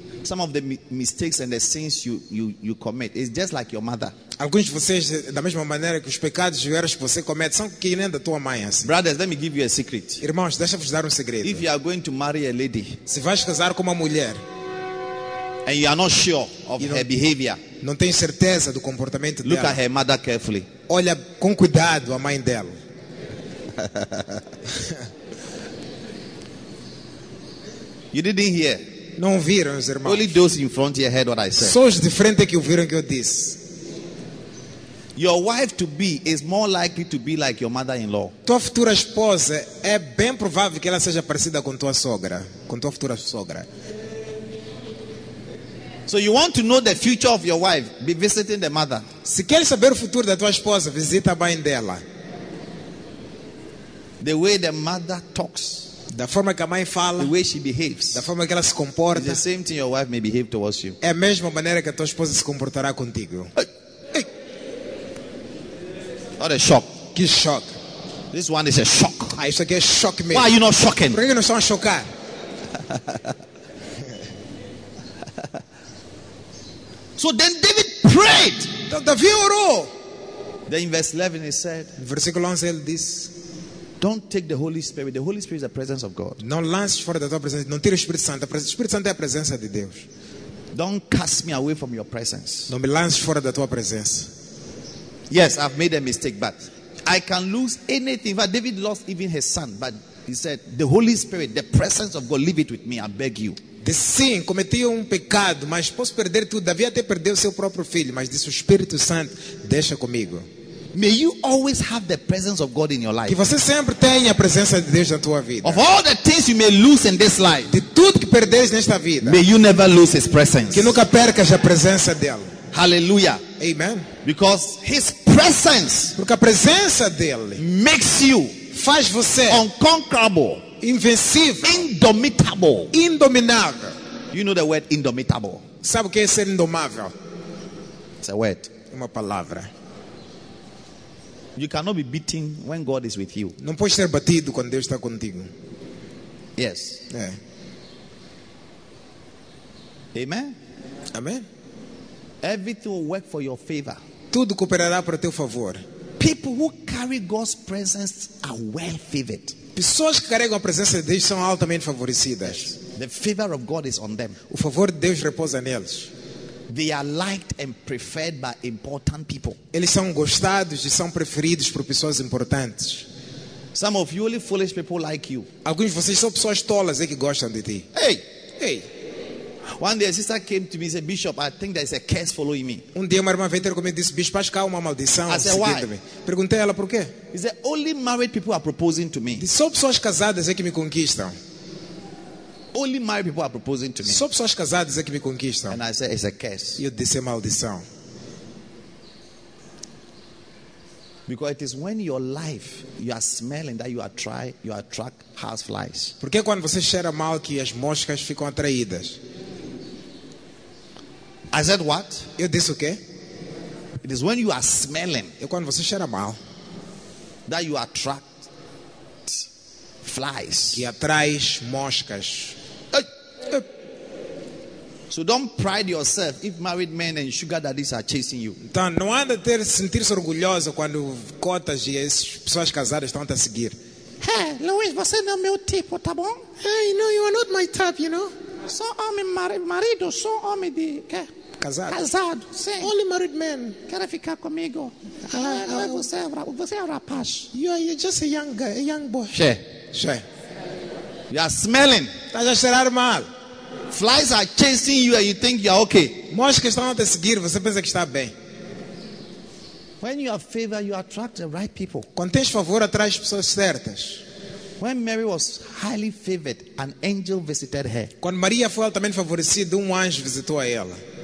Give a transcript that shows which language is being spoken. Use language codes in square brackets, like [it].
[en] Some of the mistakes and the sins you commit is just like your mother. [pt] Alguns de vocês, da mesma maneira que os pecados e erros que você comete, são que nem da tua mãe. Assim. [en] Brothers, let me give you a secret. [pt] Irmãos, deixa-vos dar segredo. [en] If you are going to marry a lady, [pt] se vais casar com uma mulher, [en] and you are not sure of her behavior, [pt] não tens certeza do comportamento dela. [en] Look at her mother carefully. [pt] Olha com cuidado a mãe dela. [en] You didn't hear. [pt] Não ouviram, os irmãos. [en] Only those in front here heard what I said. [pt] Só os de frente que ouviram o que eu disse. [en] Your wife to be is more likely to be like your mother-in-law. [pt] Tua futura esposa é bem provável que ela seja parecida com tua sogra, com tua futura sogra. [en] So you want to know the future of your wife? Be visiting the mother. [pt] Se quer saber o futuro da tua esposa, visita a mãe dela. [en] The way the mother talks. [pt] Da forma que a mãe fala, [en] the way she behaves, [pt] da forma que ela se comporta, [en] the same thing your wife may behave towards you. [pt] É a mesma maneira que a tua esposa se comportará contigo. [en] What a shock! [pt] Que shock! [en] This one is a shock. [pt] Ah, isso aqui é shock mesmo. [en] Why are you not shocking? [pt] Por que não estão a chocar? [en] So then David prayed. [pt] Então Davi orou. [en] Then in verse 11 he said. [pt] Versículo 11 ele disse. [en] Don't take the Holy Spirit. The Holy Spirit is the presence of God. [pt] Não lance fora da tua presença. Não tire o Espírito Santo. O Espírito Santo é a presença de Deus. [en] Don't cast me away from your presence. [pt] Não me lance fora da tua presença. [en] Yes, I've made a mistake, but I can lose anything. But David lost even his son, but he said, "The Holy Spirit, the presence of God, leave it with me. I beg you." [pt] Sim, cometi pecado, mas posso perder tudo. Davi até perdeu seu próprio filho, mas disse o Espírito Santo, deixa comigo. [en] May you always have the presence of God in your life. [pt] Que você sempre tenha a presença de Deus na tua vida. [en] Of all the things you may lose in this life, [pt] de tudo que perdes nesta vida, [en] may you never lose His presence. [pt] Que nunca percas a presença dele. Hallelujah. Amen. [en] Because His presence, [pt] porque a presença dele, [en] makes you, [pt] faz você, [en] unconquerable, [pt] invencível, [en] indomitable, [pt] indomável. [en] You know the word indomitable. [pt] Sabe o que é ser indomável? [en] It's a word. [pt] Uma palavra. [en] You cannot be beaten when God is with you. [pt] Não pode ser batido quando Deus está contigo. [en] Yes. [pt] É. Amen. Amen. [en] Everything will work for your favor. [pt] Tudo cooperará para teu favor. [en] People who carry God's presence are well favored. [pt] Pessoas que carregam a presença de Deus são altamente favorecidas. [en] The favor of God is on them. [pt] O favor de Deus repousa neles. [en] They are liked and preferred by important people. [pt] Eles são gostados e são preferidos por pessoas importantes. [en] Some of you only foolish people like you. [pt] Alguns de vocês são pessoas tolas que gostam de ti. Hey, hey. [en] One day a sister came to me and said, "Bishop, I think there is a curse following me." [pt] Um dia uma irmã veio ter comigo e disse, "Bispo, acho que há uma maldição seguindo-me." Perguntei a ela por quê. [en] He said, "Only married people are proposing to me." [pt] Diz, só pessoas casadas é que me conquistam. [en] Only married people are proposing to me. [pt] Só pessoas casadas é que me conquistam. [en] And I said, "It's a curse." [pt] E eu disse, maldição. [en] Because it is when your life you are smelling that you attract house flies. [pt] Porque é quando você cheira mal que as moscas ficam atraídas. [en] I said what? [pt] Eu disse o quê? [en] It is when you are smelling. [pt] É quando você cheira mal. [en] That you attract flies. [pt] Que atrai moscas. [en] So don't pride yourself if married men and sugar daddies are chasing you. [pt] Então não anda a sentir-se orgulhoso quando cotas e essas pessoas casadas estão a seguir. Hey, Luiz, você não é meu tipo, tá bom? [en] Hey, no, you are not my type, you know? [pt] Só homem marido, só homem de quê? Casado, sim. [en] Only married men. [pt] Quer ficar comigo? Não é você, você é rapaz. [en] You're just a young guy, a young boy. Che. Che. You are smelling. [pt] Tá já cheirar mal. [en] Flies are chasing you and you think you are okay. [pt] Moscas estão a te seguir, você pensa que está bem. [en] When you have favor, you attract the right people. [pt] Quando tens favor, atrai pessoas certas. [en] When Mary was highly favored, an angel visited her. [pt] Quando Maria foi altamente favorecida, anjo visitou a ela.